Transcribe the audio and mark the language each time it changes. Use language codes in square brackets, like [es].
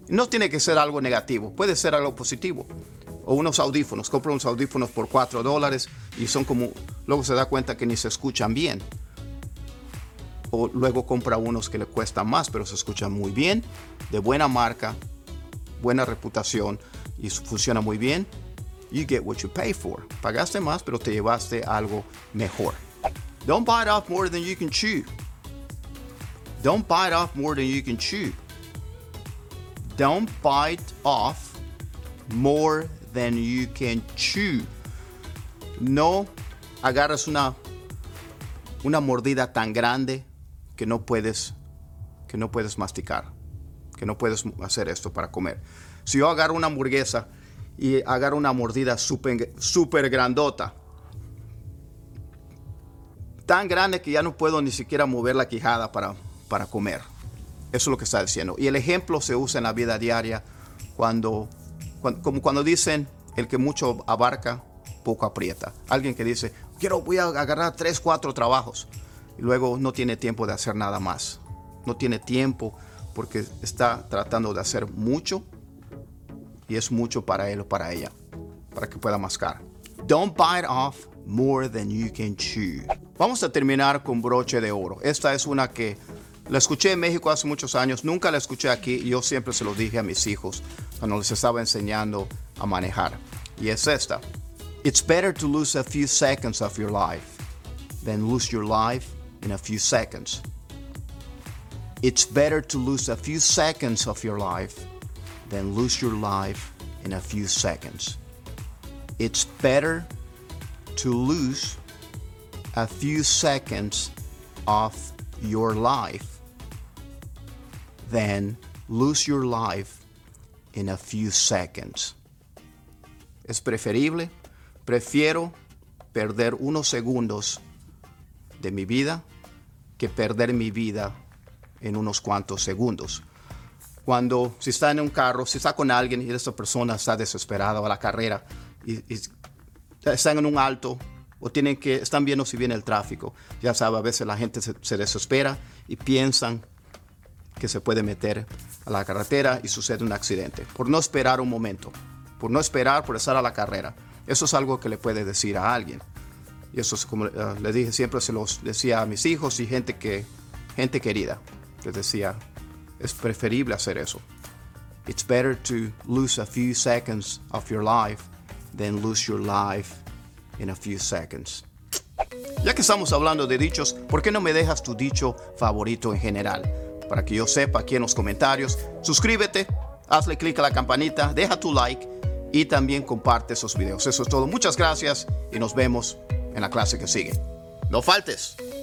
[es] No tiene que ser algo negativo, puede ser algo positivo. O unos audífonos, compra unos audífonos por $4 y son como, luego se da cuenta que ni se escuchan bien. O luego compra unos que le cuestan más, pero se escuchan muy bien, de buena marca, buena reputación y funciona muy bien. [en] You get what you pay for. [es] Pagaste más, pero te llevaste algo mejor. [en] Don't bite off more than you can chew. Don't bite off more than you can chew. Don't bite off more than you can chew. [es] No agarras una mordida tan grande que no puedes masticar. Que no puedes hacer esto para comer. Si yo agarro una hamburguesa y agarro una mordida super, super grandota, tan grande que ya no puedo ni siquiera mover la quijada para comer. Eso es lo que está diciendo. Y el ejemplo se usa en la vida diaria, cuando dicen, el que mucho abarca, poco aprieta. Alguien que dice, voy a agarrar 3-4 trabajos, y luego no tiene tiempo de hacer nada más. No tiene tiempo porque está tratando de hacer mucho, y es mucho para él o para ella, para que pueda mascar. [en] Don't bite off more than you can chew. [es] Vamos a terminar con broche de oro. Esta es una que la escuché en México hace muchos años. Nunca la escuché aquí. Yo siempre se lo dije a mis hijos cuando les estaba enseñando a manejar. Y es esta. [en] It's better to lose a few seconds of your life than lose your life in a few seconds. It's better to lose a few seconds of your life than lose your life in a few seconds. It's better to lose a few seconds of your life than lose your life in a few seconds. [es] Es preferible, prefiero perder unos segundos de mi vida que perder mi vida en unos cuantos segundos. Cuando, si está en un carro, si está con alguien y esa persona está desesperada o a la carrera y están en un alto o están viendo si viene el tráfico. Ya sabe, a veces la gente se desespera y piensan que se puede meter a la carretera y sucede un accidente. Por no esperar un momento, por no esperar, por estar a la carrera. Eso es algo que le puede decir a alguien. Y eso es como le dije, siempre se los decía a mis hijos y gente querida. Les decía, es preferible hacer eso. [en] It's better to lose a few seconds of your life than lose your life in a few seconds. [es] Ya que estamos hablando de dichos, ¿por qué no me dejas tu dicho favorito en general? Para que yo sepa aquí en los comentarios. Suscríbete, hazle click a la campanita, deja tu like y también comparte esos videos. Eso es todo. Muchas gracias y nos vemos en la clase que sigue. ¡No faltes!